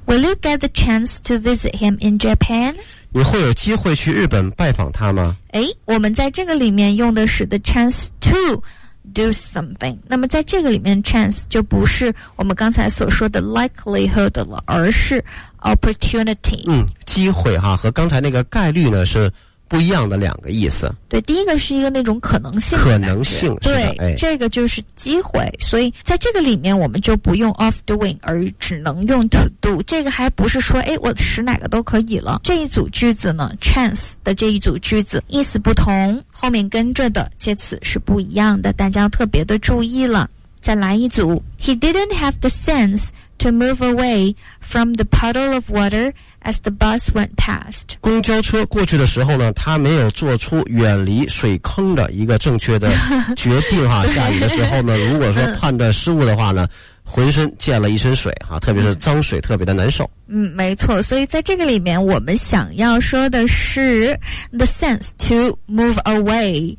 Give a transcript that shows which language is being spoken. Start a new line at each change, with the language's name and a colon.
English: Will you get the chance to visit him in Japan?
Chinese: 你会有机会去日本拜访他吗？诶，我们在这个里面用的是
English: the chance to do something。
Chinese: 那么在这个里面 chance 就不是我们刚才所说的 likelihood 了，而是 opportunity。嗯，机会哈，和刚才那个概率呢是不一样的两个意思。对，第一个是一个那种可能性的，可能性是的，对、哎、这个就是机会。所以在这个里面我们就不用 of doing， 而只能用 to do。这个还不是说哎，我使哪个都可以了。这一组句子呢， chance 的这一组句子意思不同，后面跟着的介词是不一样的，大家要特别的注意了。再来一组，
English: He didn't have the sense to move away from the puddle of waterAs the bus went past，
Chinese: 公交车过去的时候呢，他没有做出远离水坑的一个正确的决定哈。下雨的时候呢，如果说判断失误的话呢，浑身溅了一身水哈，特别是脏水，特别的难受。嗯，没错。所以在这个里面，我们想要说的是
English: the sense to move away。